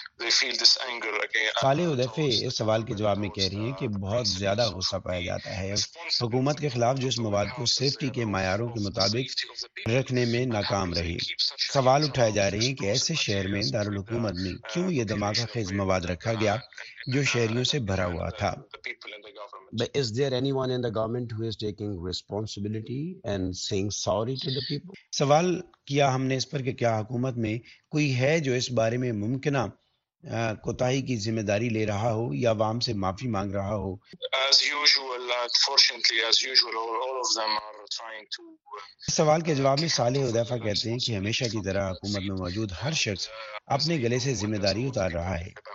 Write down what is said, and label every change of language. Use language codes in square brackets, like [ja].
[ur] صالح حدیفہ اس سوال کے جواب میں کہہ رہی ہیں کہ بہت زیادہ غصہ پایا جاتا ہے حکومت کے خلاف جو اس مواد کو سیفٹی کے معیاروں کے مطابق رکھنے میں ناکام رہی. سوال اٹھائے جا رہے ہیں کہ ایسے شہر میں دارالحکومت میں کیوں یہ دھماکہ خیز مواد رکھا گیا جو شہریوں سے بھرا ہوا تھا. [en] But is there anyone in the government who is taking responsibility and saying sorry to the people? [ur] سوال کیا ہم نے اس پر کہ کیا حکومت میں کوئی ہے جو اس بارے میں ممکنہ کوتاہی کی ذمہ داری لے رہا ہو یا عوام سے معافی مانگ رہا ہو. سوال کے جواب میں صالح حدیفہ کہتے ہیں کہ ہمیشہ کی طرح حکومت میں موجود ہر شخص اپنے گلے سے ذمہ داری اتار رہا ہے.